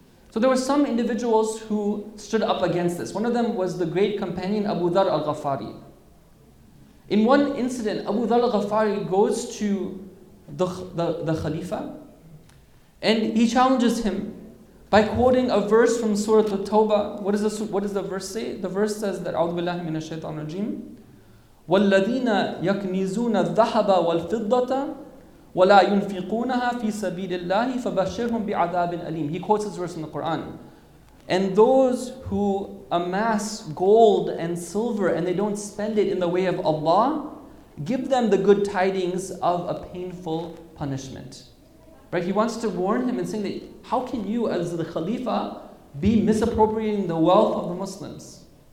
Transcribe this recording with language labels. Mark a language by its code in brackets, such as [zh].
[en] So there were some individuals who stood up against this. One of them was the great companion Abu Dharr al-Ghaffari. In one incident, Abu Dharr al-Ghaffari goes to the Khalifa and he challenges him by quoting a verse from Surah At-Tawbah. What does the verse say? The verse says that, [ar] أعوذ بالله من الشيطان الرجيم وَالَّذِينَ يَكْنِزُونَ الذَّهَبَ وَالْفِضَّةَ وَلَا يُنْفِقُونَهَا فِي سَبِيلِ اللَّهِ فَبَشِّرْهُمْ بِعَذَابٍ أَلِيمٍ. [en] He quotes this verse in the Quran. And those who amass gold and silver and they don't spend it in the way of Allah, give them the good tidings of a painful punishment. Right? He wants to warn him and saying that, how can you as the Khalifa be misappropriating the wealth of the Muslims?